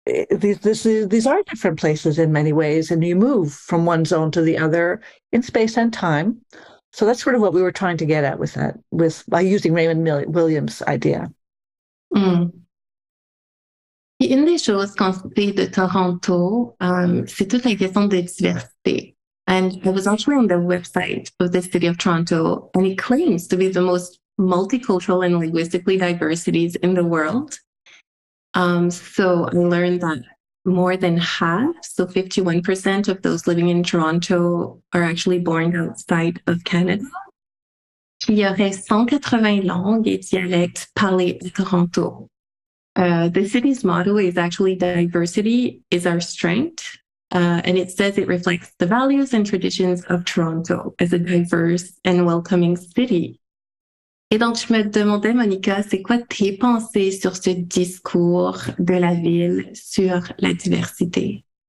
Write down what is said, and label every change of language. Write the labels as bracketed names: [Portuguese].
[English] These are different places in many ways, and you move from one zone to the other in space and time. So that's sort of what we were trying to get at with that, by using Raymond Williams' idea. Mm. [French] Une des choses quand c'était de Toronto, c'est toute la question de diversité. [English] And I was actually on the website of the city of Toronto, and it claims to be the most multicultural and linguistically diverse cities in the world. So I learned that more than half, so 51% of those living in Toronto are actually born outside of Canada. [French] Il y aurait 180 langues et dialectes parlés à Toronto. [English] The city's motto is actually diversity is our strength. And it says it reflects the values and traditions of Toronto as a diverse and welcoming city. [French] Et donc, je me demandais, Monica, c'est quoi tes pensées sur ce discours de la ville sur la diversité?